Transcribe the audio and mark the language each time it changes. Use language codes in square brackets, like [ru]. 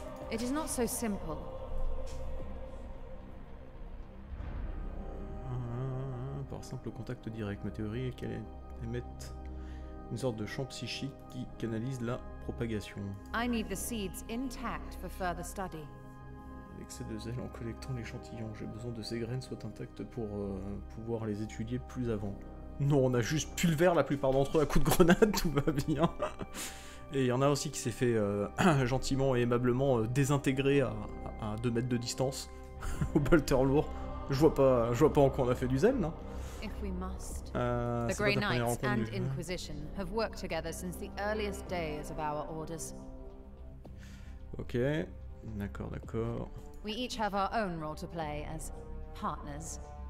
[en] It is not so simple. [fr] Par simple contact direct, ma théorie est qu'elle émette une sorte de champ psychique qui canalise la propagation. [en] I need the seeds intact for further study. [fr] L'excès de zèle en collectant l'échantillon. J'ai besoin de ces graines soient intactes pour pouvoir les étudier plus avant. Non, on a juste pulvère la plupart d'entre eux à coups de grenade, tout va bien. Et il y en a aussi qui s'est fait gentiment et aimablement désintégrer à 2 mètres de distance au bolter lourd. Je vois pas encore on a fait du zèle, non. [en] If we must. The Grey Knights and Inquisition have worked together since the earliest days of our orders. [fr] OK. D'accord. [en] We each have our own role to play as partners.